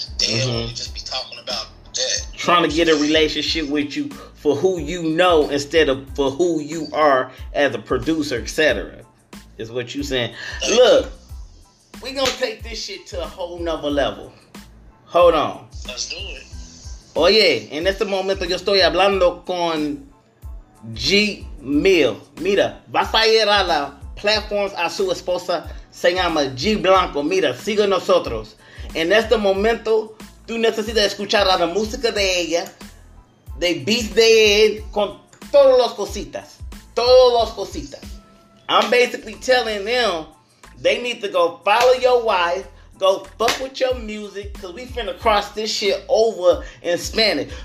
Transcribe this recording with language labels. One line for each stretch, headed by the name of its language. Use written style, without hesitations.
English: Damn, mm-hmm. You just be talking about that. Trying to get a relationship with you for who you know instead of for who you are as a producer, etc. Is what you saying. Thank Look, we're going to take this shit to a whole nother level. Hold on. Let's do it.
Spanish: Oye, en este momento yo estoy hablando con G. Mill. Mira, vas a ir a la plataforma a su esposa, se llama G. Blanco. Mira, sigue nosotros. En este momento, tú necesitas escuchar a la música de ella, de beats de él, con todas las cositas. Todas las cositas.
English: I'm basically telling them, they need to go follow your wife. Go fuck with your music, cause we finna cross this shit over in Spanish.